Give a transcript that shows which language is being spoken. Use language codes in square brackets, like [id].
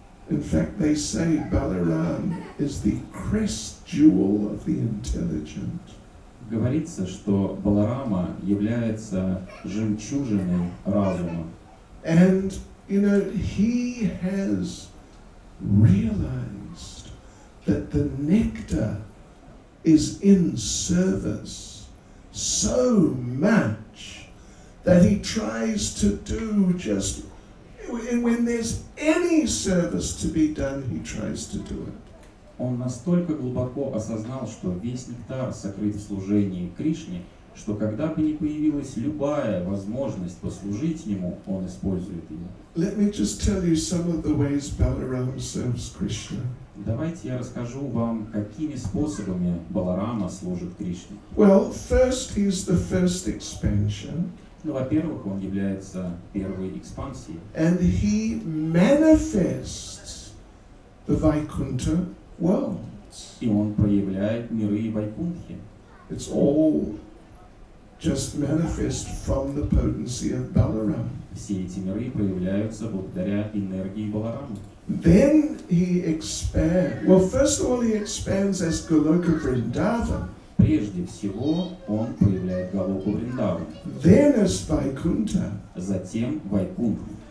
[en] In fact, they say Balaram is the crest jewel of the intelligent. [ru] Говорится, что Баларама является жемчужиной разума. [en] And, you know, he has realized that the nectar is in service so much that he tries to do just when there's any service to be done, he tries to do it. [ru] Он настолько глубоко осознал, что весь нектар сокрыт в служении Кришне, что когда бы ни появилась любая возможность послужить ему, он использует ее. [en] Let me just tell you some of the ways Balaram serves Krishna. [ru] Давайте я расскажу вам, какими способами Баларама служит Кришне. [en] Well, first he's the first expansion. [ru] Ну, во-первых, он является первой экспансией. [en] And he manifests the Vaikuntha worlds. [ru] И он проявляет миры Вайкунтхи. [en] It's all just manifest from the potency of Balaram. [ru] Все эти миры проявляются благодаря энергии Баларамы. [en] Then he expands. Well, first of all, he expands as Goloka Vrindavan. [ru] Прежде всего, он появляет голову Вриндавана. [en] Then as Vaikuntha. [ru] Затем Вайкунтху.